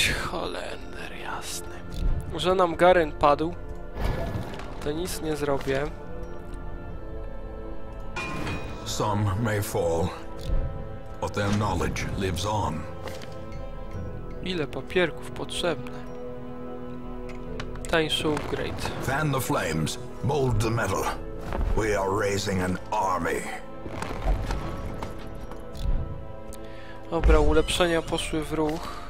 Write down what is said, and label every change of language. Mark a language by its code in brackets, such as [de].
[pl] Cholender jasny. Że nam Garen padł, to nic nie zrobię. [en] Some may fall, but their knowledge lives on. [pl] Ile papierków potrzebne? Tańszy upgrade. [en] Fan the flames, mold the metal. We are raising an army. [pl] Dobra, ulepszenia poszły w ruch.